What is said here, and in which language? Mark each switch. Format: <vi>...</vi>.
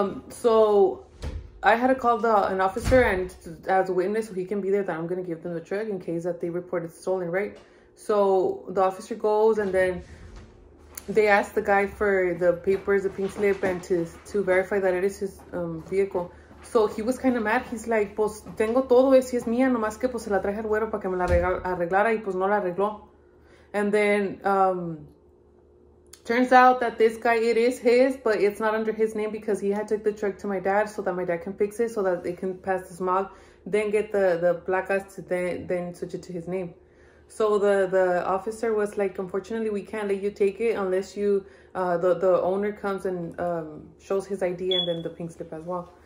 <en>So I had to call an officer and as a witness so he can be there that I'm going to give them the truck in case that they report it stolen, right? So the officer goes, and then... they asked the guy for the papers, the pink slip, and to verify that it is his vehicle. So he was kind of mad. He's like,</en> <es>pues tengo todo, si es mía, nomás que pues se la traje al güero para que me la arreglara y pues no la arregló.</es> <en>And then turns out that this guy, it is his, but it's not under his name because he had to take the truck to my dad so that my dad can fix it, so that it can pass the smog, then get the placas to then switch it to his name. So the officer was like, unfortunately, we can't let you take it unless you, the owner comes and shows his ID and then the pink slip as well.</en>